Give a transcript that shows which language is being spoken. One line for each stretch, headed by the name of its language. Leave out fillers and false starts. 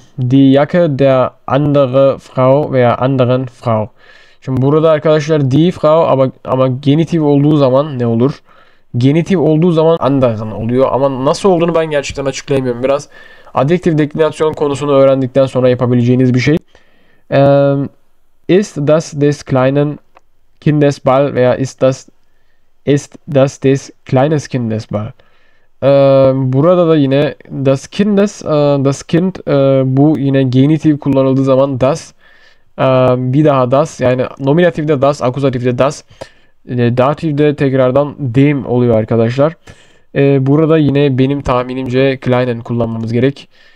German: Die Jacke der andere Frau veya anderen Frau.
Turkish: Şimdi burada arkadaşlar die Frau ama genitiv olduğu zaman ne olur? Genitiv olduğu zaman anderen oluyor ama nasıl olduğunu ben gerçekten açıklayamıyorum. Biraz adjektif deklinasyon konusunu öğrendikten sonra yapabileceğiniz bir şey.
German: Ist das des kleinen Kindes Ball veya ist das des kleines Kindes Ball.
Turkish: Burada da yine das Kind bu yine genitiv kullanıldığı zaman das bir daha das yani nominatifte das, akuzatifte das. Datif de tekrardan dem oluyor arkadaşlar. Burada yine benim tahminimce Klein'en kullanmamız gerek.